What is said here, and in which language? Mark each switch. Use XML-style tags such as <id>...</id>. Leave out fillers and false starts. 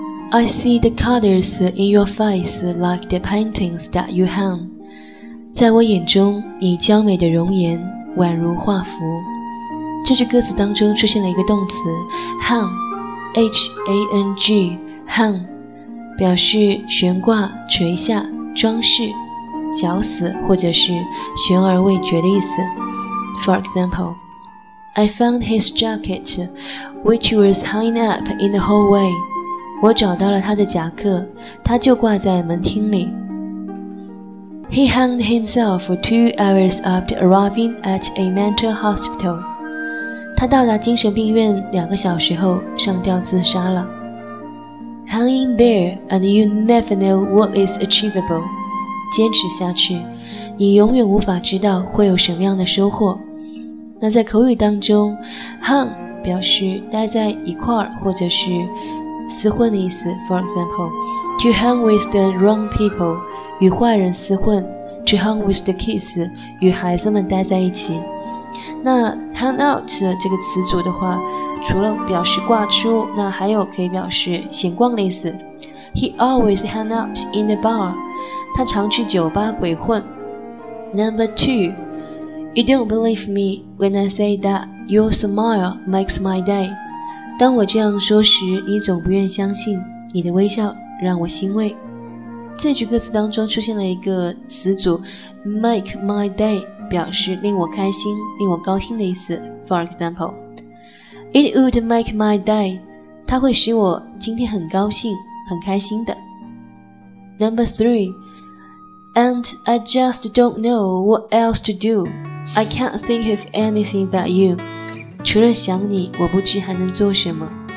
<en>I see the colors in your face like the paintings that you hang.</en> <zh>在我眼中，你娇美的容颜宛如画幅。这句歌词当中出现了一个动词 hang, hang, 表示悬挂、垂下、装饰、绞死或者是悬而未决的意思。</zh> <en>For example, I found his jacket, which was hanging up in the hallway.</en> <zh>我找到了他的夹克，他就挂在门厅里。</zh> <en>He hanged himself 2 hours after arriving at a mental hospital.</en> <zh>他到达精神病院2小时后上吊自杀了。</zh> <en>Hang in there and you never know what is achievable.</en> <zh>坚持下去，你永远无法知道会有什么样的收获。那在口语当中 ,hang 表示待在一块儿或者是厮混的意思。</zh> <en>For example, to hang with the wrong people.</en> <zh>与坏人厮混</zh> <en>to hang with the kids</en> <zh>与孩子们待在一起。那 hang out 这个词组的话，除了表示挂出，那还有可以表示闲逛的意思。</zh> <en>He always hang out in the bar.</en> <zh>他常去酒吧鬼混。</zh> <en>Number two, You don't believe me when I say that your smile makes my day.</en> <zh>当我这样说时，你总不愿相信，你的微笑让我欣慰。这句歌词当中出现了一个词组</zh> <en>make my day,</en> <zh>表示令我开心、令我高兴的意思。</zh> <en>For example, it would make my day,</en> <zh>它会使我今天很高兴、很开心的。</zh> <en>Number three, and I just don't know what else to do. I can't think of anything but you.</en> <zh>除了想你，我不知还能做什么。</zh>